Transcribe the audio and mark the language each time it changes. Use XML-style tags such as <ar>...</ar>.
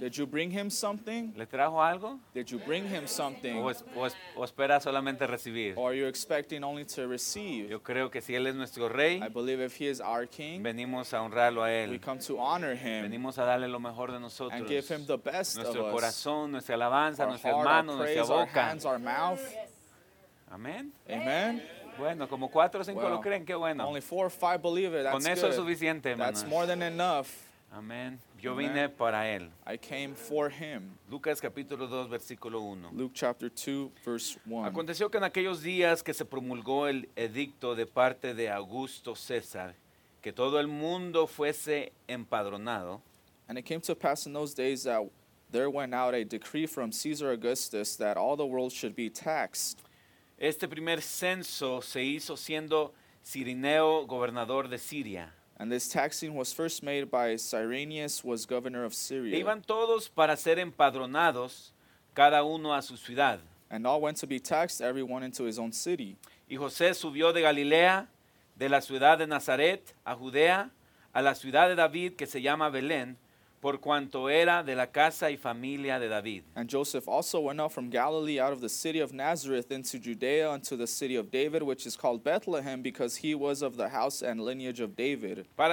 <en>Did you bring Him something?</en> <es>¿Le trajo algo?</es> <en>Did you bring Him something?</en> <es>¿O espera solamente recibir?</es> <en>Or are you expecting only to receive?</en> <es>Yo creo que si Él es nuestro Rey,</es> <en>I believe if He is our King,</en> <es>venimos a honrarlo a Él.</es> <en>We come to honor Him.</en> <es>Venimos a darle lo mejor de nosotros.</es> <en>And give Him the best</en> <es>nuestro</es> <en>of</en> <es>corazón,</es> <en>us.</en> <es>Nuestra alabanza, nuestras manos, nuestra boca.</es> <en>Our hands, our mouth.</en> <es>Amen.</es> <en>Amen.</en> <es>Bueno, como cuatro o cinco lo creen, qué bueno.</es> <en>Only 4 or 5 believe it, that's</en> <es>con eso</es> <en>good.</en> <es>Es suficiente, hermanos.</es> <en>That's more than enough.</en> <es>Amen. Yo vine para él.</es> <en>I came for him.</en> <es>Lucas capítulo 2 versículo 1.</es> <en>Luke chapter 2 verse 1.</en> <es>Aconteció que en aquellos días que se promulgó el edicto de parte de Augusto César, que todo el mundo fuese empadronado.</es> <en>And it came to pass in those days that there went out a decree from Caesar Augustus that all the world should be taxed.</en> <es>Este primer censo se hizo siendo Cirineo gobernador de Siria.</es> <en>And this taxing was first made by Cyrenius, was governor of Syria.</en> <es>Iban todos para ser empadronados, cada uno a su ciudad.</es> <en>And all went to be taxed, everyone into his own city.</en> <es>Y José subió de Galilea, de la ciudad de Nazaret, a Judea, a la ciudad de David, que se llama Belén, por cuanto era de la casa y familia de David.</es> <en>And Joseph also went up from Galilee, out of the city of Nazareth, into Judea, unto the city of David, which is called Bethlehem, because he was of the house and lineage of David.</en>